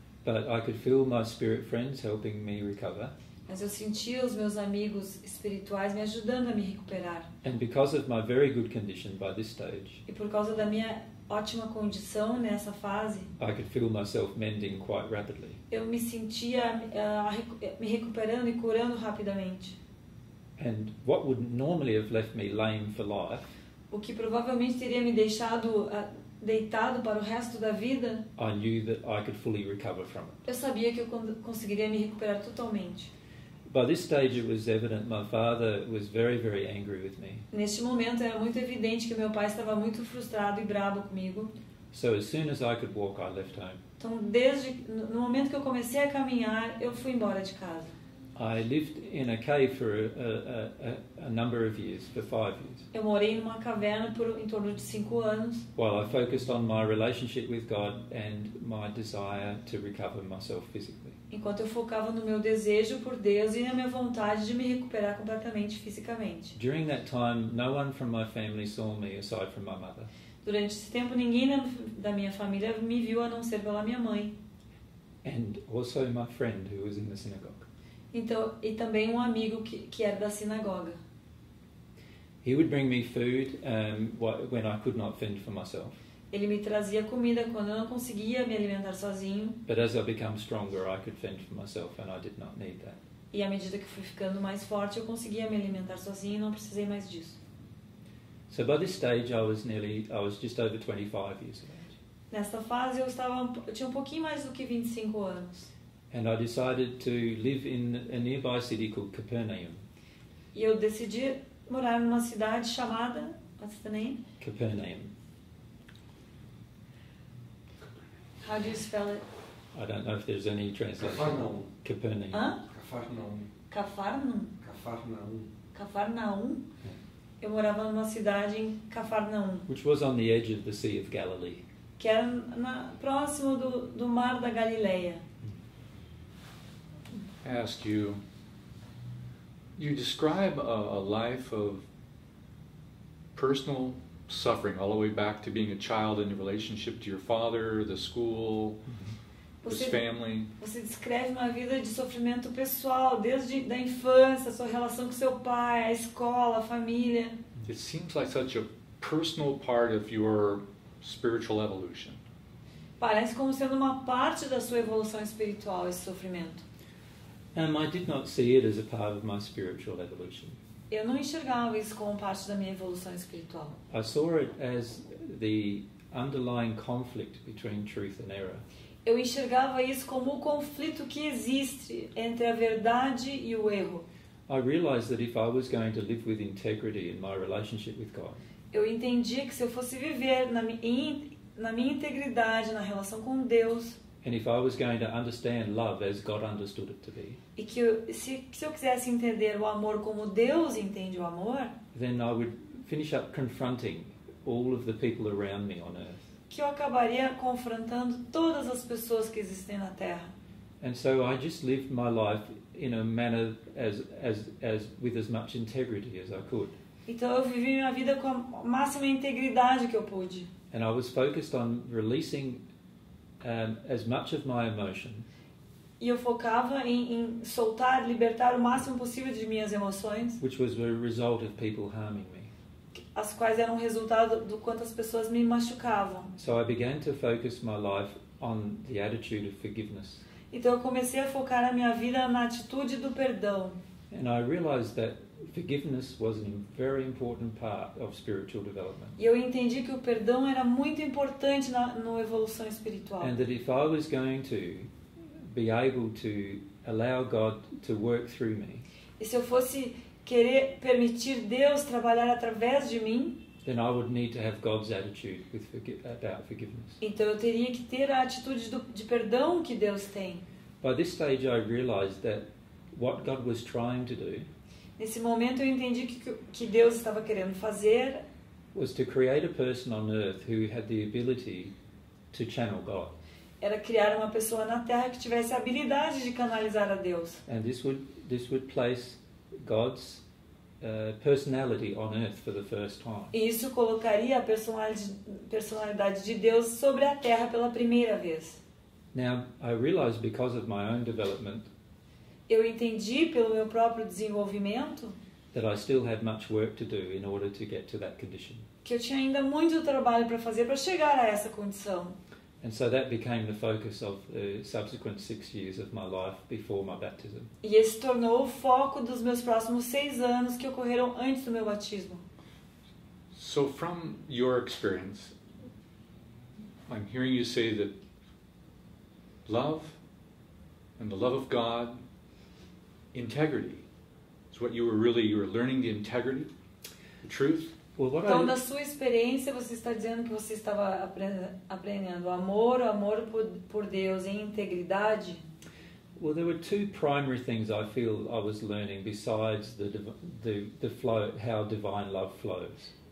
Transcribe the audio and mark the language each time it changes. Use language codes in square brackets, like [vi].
[en] But I could feel my spirit friends helping me recover. [pt] Mas eu sentia os meus amigos espirituais me ajudando a me recuperar. [en] And because of my very good condition by this stage, [pt] e por causa da minha ótima condição nessa fase, [en] I could feel myself mending quite rapidly. [pt] Eu me sentia me recuperando e curando rapidamente. [en] And what would normally have left me lame for life, [pt] o que provavelmente teria me deixado deitado para o resto da vida, [en] I knew that I could fully recover from it. [pt] Eu sabia que eu conseguiria me recuperar totalmente. [en] By this stage, it was evident my father was very, very angry with me. [pt] Neste momento era muito evidente que meu pai estava muito frustrado e bravo comigo. [en] So as soon as I could walk, I left home. [pt] Então, desde no momento que eu comecei a caminhar, eu fui embora de casa. [en] I lived in a cave for a number of years, for 5 years. [pt] Eu morei numa caverna por em torno de 5 anos. [en] While I focused on my relationship with God and my desire to recover myself physically. [pt] Enquanto eu focava no meu desejo por Deus e na minha vontade de me recuperar completamente fisicamente. [en] During that time, no one from my family saw me aside from my mother. [pt] Durante esse tempo, ninguém da minha família me viu a não ser pela minha mãe. [en] And also my friend who was in the synagogue. [pt] Então, e também um amigo que era da sinagoga. [en] He would bring me food when I could not fend for myself. [pt] Ele me trazia comida quando eu não conseguia me alimentar sozinho. [en] But as I became stronger, I could fend for myself and I did not need that. [pt] E à medida que fui ficando mais forte, eu conseguia me alimentar sozinho e não precisei mais disso. [en] So by this stage I was just over 25 years old. [pt] Nesta fase eu tinha um pouquinho mais do que 25 anos. [en] And I decided to live in a nearby city called Capernaum. [pt] E eu decidi morar numa cidade chamada, [en] what's the name? Capernaum. How do you spell it? I don't know if there's any translation. Capernaum. Capernaum. Capernaum. Capernaum. Capernaum. [pt] Capernaum. Eu morava numa cidade em Capernaum. [en] Which was on the edge of the Sea of Galilee. [pt] Que era na, próximo do, do Mar da Galileia. [en] I ask you, you describe a life of personal suffering all the way back to being a child in your relationship to your father, the school, [pt] você, [en] his family. [pt] Você descreve uma vida de sofrimento pessoal desde da infância, sua relação com seu pai, a escola, a família. [en] It seems like such a personal part of your spiritual evolution. [pt] Parece como sendo uma parte da sua evolução espiritual esse sofrimento. [en] I did not see it as a part of my spiritual evolution. [pt] Eu não enxergava isso como parte da minha evolução espiritual. [en] I saw it as the underlying conflict between truth and error. [pt] Eu enxergava isso como o conflito que existe entre a verdade e o erro. [en] I realized that if I was going to live with integrity in my relationship with God. [pt] Eu entendia que se eu fosse viver na minha integridade na relação com Deus. [en] And if I was going to understand love as God understood it to be. [pt] E que eu, se, se eu quisesse entender o amor como Deus entende o amor, [en] then I would finish up confronting all of the people around me on earth. [pt] Que eu acabaria confrontando todas as pessoas que existem na Terra. [en] And so I just lived my life in a manner as with as much integrity as I could. [pt] Então eu vivi minha vida com a máxima integridade que eu pude. [en] And I was focused on releasing as much of my emotion. [pt] E eu focava em soltar, libertar o máximo possível de minhas emoções. [en] Which was a result of people harming me. [pt] As quais eram resultado do quanto as pessoas me machucavam. [en] So I began to focus my life on the attitude of forgiveness. [pt] Então eu comecei a focar a minha vida na atitude do perdão. [en] And I realized that forgiveness was a very important part of spiritual development. [pt] E eu entendi que o perdão era muito importante na no evolução espiritual. [en] And that if I was going to be able to allow God to work through me. [pt] E se eu fosse querer permitir Deus trabalhar através de mim, [en] then I would need to have God's attitude with about forgiveness. [pt] Então eu teria que ter a atitude do, de perdão que Deus tem. [en] By this stage I realized that what God was trying to do. [pt] Nesse momento eu entendi que Deus estava querendo fazer [en] was to create a person on earth who had the ability to channel God. [pt] Era criar uma pessoa na Terra que tivesse a habilidade de canalizar a Deus. [en] And this would place God's personality on earth for the first time. [pt] E isso colocaria a personalidade de Deus sobre a Terra pela primeira vez. [en] Now I realized because of my own development. [pt] Eu entendi pelo meu próprio desenvolvimento [en] that I still had much work to do in order to get to that condition. [pt] Que eu tinha ainda muito trabalho para fazer para chegar a essa condição. [en] And so that became the focus of the subsequent 6 years of my life before my baptism. [pt] E esse tornou o foco dos meus próximos 6 anos que ocorreram antes do meu batismo. [en] So from your experience, I'm hearing you say that love and the love of God, integrity. So what you were really, you were learning the integrity, the truth. [pt] Well, então, da sua experiência, você está dizendo que você estava aprendendo amor por Deus em integridade? [en] Well, there were two primary things I feel I was learning besides the flow, how divine love flows.